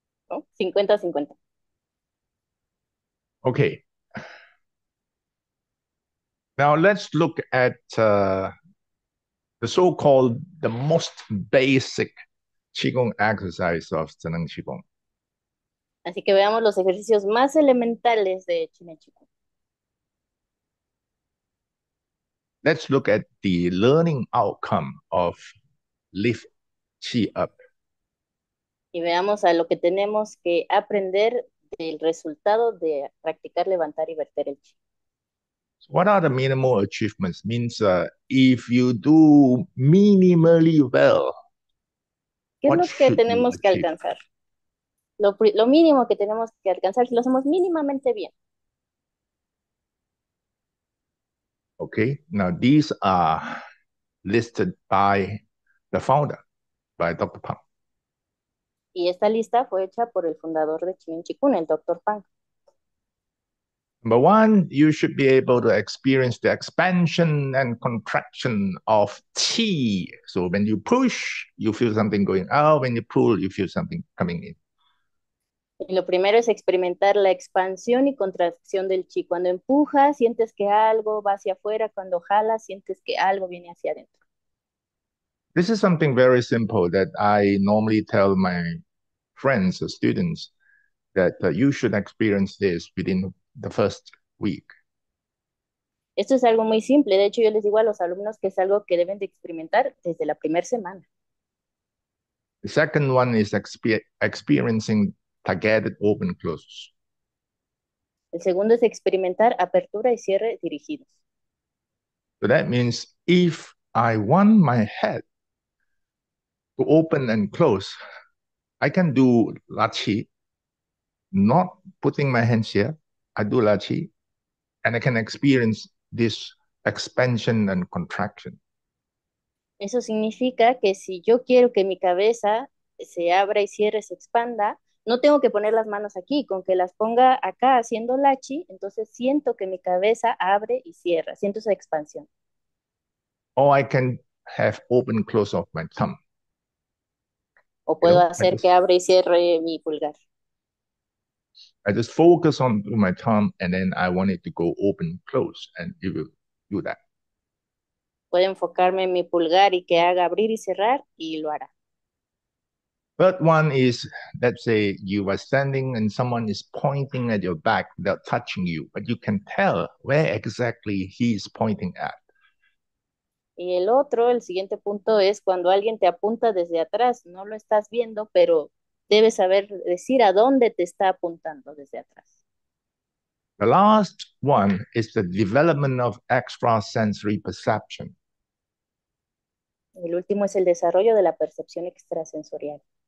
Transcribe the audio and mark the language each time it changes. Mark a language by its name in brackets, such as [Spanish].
[English] Oh, 50-50. Okay. Now let's look at the so-called the most basic Qigong exercise of Zheneng Qigong. [Spanish] Así que veamos los ejercicios más elementales de Chine Chico. [English] Let's look at the learning outcome of lift chi up. [Spanish] Y veamos a lo que tenemos que aprender del resultado de practicar levantar y verter el chi. [English] So what are the minimal achievements? Means if you do minimally well, [Spanish] ¿Qué es [English] what [Spanish] lo que [English] should you [Spanish] tenemos que [English] achieve? [Spanish] alcanzar? Lo mínimo que tenemos que alcanzar si lo hacemos mínimamente bien. [English] Okay, now these are listed by the founder, by Dr. [Spanish] Y esta lista fue hecha por el fundador de Chimin Chikun, el doctor Pang. [English] Number one, you should be able to experience the expansion and contraction of qi. So when you push, you feel something going out. When you pull, you feel something coming in. [Spanish] Y lo primero es experimentar la expansión y contracción del chi. Cuando empujas, sientes que algo va hacia afuera. Cuando jalas, sientes que algo viene hacia adentro. [English] This is something very simple that I normally tell my friends or students that you should experience this within the first week. [Spanish] Esto es algo muy simple. De hecho, yo les digo a los alumnos que es algo que deben de experimentar desde la primera semana. [English] The second one is experiencing targeted open close. [Spanish] El segundo es experimentar apertura y cierre dirigidos. [English] So that means if I want my head to open and close, I can do la chi, not putting my hands here. I do la chi, and I can experience this expansion and contraction. [Spanish] Eso significa que si yo quiero que mi cabeza se abra y cierre, se expanda, no tengo que poner las manos aquí, con que las ponga acá haciendo lachi, entonces siento que mi cabeza abre y cierra, siento esa expansión. [English] Or I can have open close of my thumb. [Spanish] O [English] You [Spanish] puedo [English] know, like [Spanish] hacer que [English] this. [Spanish] abre y cierre mi pulgar. [English] I just focus on my thumb and then I want it to go open, close, and it will do that. [Spanish] Puedo enfocarme en mi pulgar y que haga abrir y cerrar y lo hará. [English] Third one is, let's say you are standing and someone is pointing at your back without touching you, but you can tell where exactly he is pointing at. [Spanish] Y el siguiente punto es cuando alguien te apunta desde atrás. No lo estás viendo, pero debes saber decir a dónde te está apuntando desde atrás. [English] The last one is the development of extrasensory perception. [Spanish] El último es el desarrollo de la percepción extrasensorial.